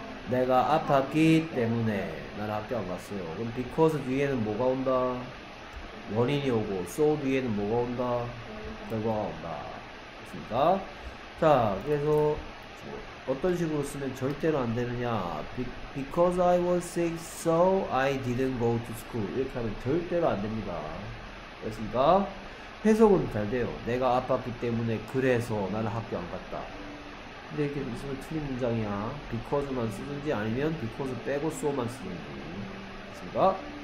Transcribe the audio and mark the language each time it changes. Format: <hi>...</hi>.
<ko>내가 아팠기 때문에 나는 학교 안 갔어요. 그럼 because 뒤에는 뭐가 온다? 원인이 오고 so 뒤에는 뭐가 온다? 결과가 온다. 됐습니까? 자, 그래서 어떤 식으로 쓰면 절대로 안 되느냐.</ko> <en>Because I was sick, so I didn't go to school.</en> <ko>이렇게 하면 절대로 안 됩니다. 됐습니까? 해석은 잘 돼요. 내가 아팠기 때문에 그래서 나는 학교 안 갔다. 근데 이렇게 쓰면 틀린 문장이야. because만 쓰든지 아니면 because 빼고 so만 쓰든지. 됐습니까?</ko>